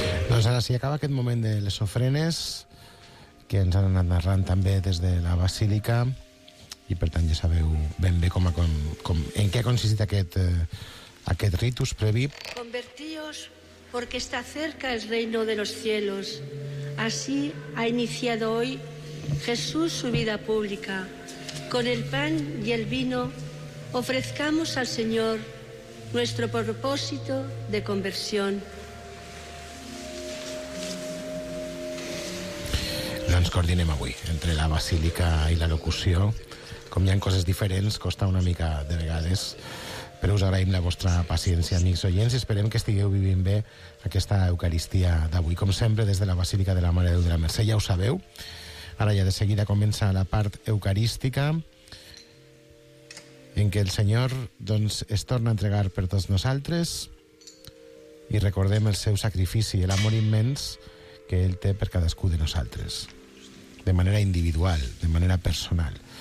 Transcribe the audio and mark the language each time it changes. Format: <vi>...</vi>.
<ca>Doncs ara sí, acaba aquest moment de les ofrenes, que ens han anat narrant també des de la basílica. I per tant ja sabeu ben bé com en què ha consistit aquest ritus previ.</ca> <es>Convertíos porque está cerca el reino de los cielos. Así ha iniciado hoy Jesús su vida pública. Con el pan y el vino ofrezcamos al Señor nuestro propósito de conversión.</es> <ca>No ens coordinem avui entre la basílica i la locució. Com hi ha coses diferents, costa una mica de vegades, però us agraïm la vostra paciència, amics oients, i esperem que estigueu vivint bé aquesta Eucaristia d'avui. Com sempre, des de la Basílica de la Mare de Déu de la Mercè, ja ho sabeu. Ara ja de seguida comença la part eucarística, en què el Senyor, doncs, es torna a entregar per tots nosaltres i recordem el seu sacrifici, l'amor immens que ell té per cadascú de nosaltres, de manera individual, de manera personal.</ca>